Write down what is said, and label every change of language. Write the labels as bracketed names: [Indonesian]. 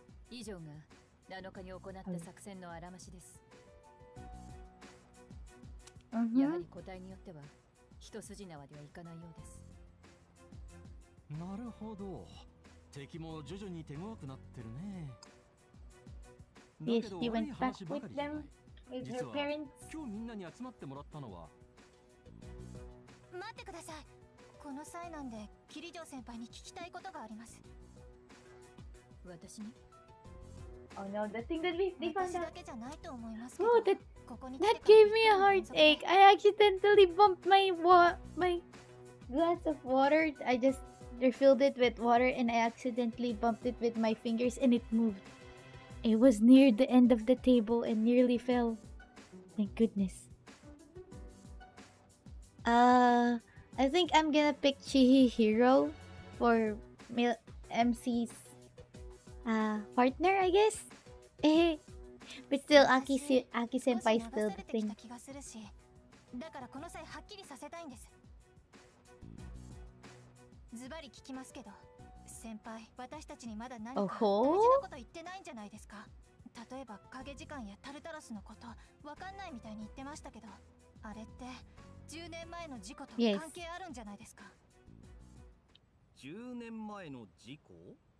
[Japanese] 以上が7日に行った作戦のあらましです、はい、やはり個体によっては一筋縄ではいかないようです。なるほど、敵も徐々に手強くなってるね。 [English] Yes, he went back with them, with her parents. [Japanese] 今日みんなに集まってもらったのは。待ってください。この際なんで、キリジョー先輩に聞きたいことがあります。私に。 [English] Oh no, the thing that we found out. [Japanese] だけじゃないと思いますけど。 [English] Oh, that gave me a heartache. I accidentally bumped my glass of water. I just refilled it with water and I accidentally bumped it with my fingers and it moved. It was near the end of the table and nearly fell. Thank goodness. I think I'm gonna pick Chihiro for MC's partner, I guess? But still, Aki-senpai is still the thing. [Japanese] 先輩、私たちにまだ何か大事なこと言ってないんじゃないですか。例えば影時間やタルタロスのこと分かんないみたいに言ってましたけど、あれって10年前の事故と関係あるんじゃないですか。 10年前の事故？